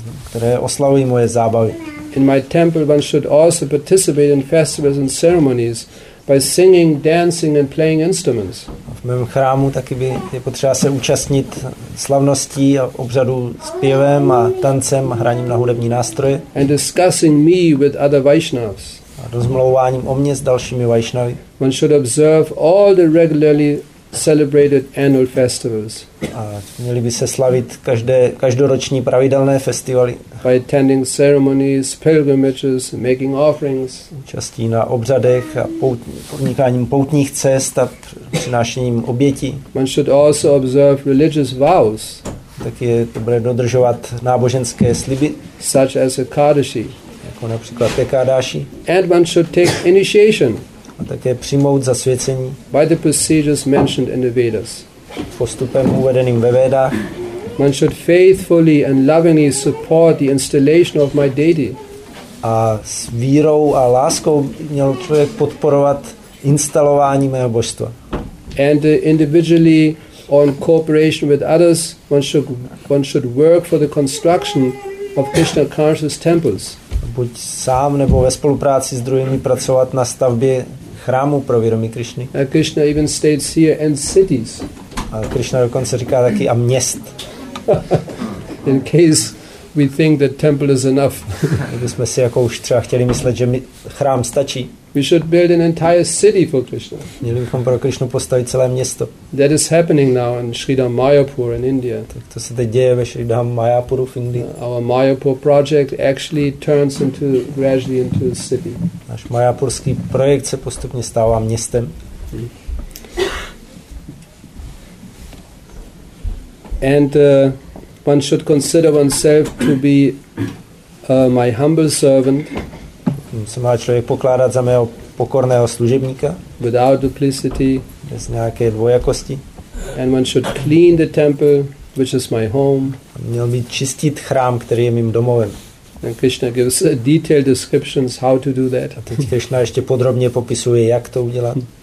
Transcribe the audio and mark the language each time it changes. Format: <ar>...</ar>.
<cs>které oslavují moje zábavy.</cs> <en>In my temple one should also participate in festivals and ceremonies by singing, dancing and playing instruments.</en> <cs>V mém chrámu taky by je potřeba se účastnit slavností a obřadu zpěvem a tancem a hraním na hudební nástroje.</cs> <en>And discussing me with other Vaishnavas.</en> <cs>A rozmlouváním o mě s dalšími Vaishnavy.</cs> <en>One should observe all the regularly celebrated annual festivals.</en> <cs>A měli by se slavit každoroční pravidelné festivaly.</cs> <en>By attending ceremonies, pilgrimages, making offerings.</en> <cs>Účastí na obřadech a podnikáním poutních cest a přinášením obětí.</cs> <en>One should also observe religious vows.</en> <cs>Tak je dobré dodržovat náboženské sliby.</cs> <en>Such as Ekadashi.</en> <cs>Jako například Ekadashi.</cs> <en>And one should take initiation.</en> <cs>A také přijmout zasvěcení.</cs> <en>By the procedures mentioned in the Vedas.</en> <cs>Postupem uvedeným ve Vedách.</cs> <en>One should faithfully and lovingly support the installation of my deity.</en> <cs>A s vírou a láskou měl člověk podporovat instalování mého božstva.</cs> <en>And individually on cooperation with others, one should work for the construction of Krishna conscious temples.</en> <cs>Buď sám nebo ve spolupráci s druhými pracovat na stavbě chrámu pro vědomí Krišny.</cs> <en>Krishna even states here and cities.</en> <cs>A Krishna dokonce říká taky a měst.</cs> <en>In case we think that temple is enough.</en> <cs>Kdybychom si jako už třeba chtěli myslet, že mi chrám stačí.</cs> <en>We should build an entire city for Krishna.</en> <cs>Měli bychom pro Krishnu postavit celé město.</cs> <en>That is happening now in Shridhar Mayapur in India.</en> <cs>Tak to se teď děje ve Shridhar Mayapuru v Indii.</cs> <en>Our Mayapur project actually turns into gradually into a city.</en> <cs>Náš mayapurský projekt se postupně stává městem.</cs> <en>And one should consider oneself to be my humble servant.</en> <cs>Se má člověk pokládat za mého pokorného služebníka.</cs> <en>Without duplicity.</en> <cs>Bez nějaké dvojakosti.</cs> <en>And one should clean the temple, which is my home.</en> <cs>A měl by čistit chrám, který je mým domovem.</cs> <en>And Krishna gives a detailed descriptions how to do that.</en> <cs>A teď Krishna ještě podrobně popisuje, jak to udělat.</cs>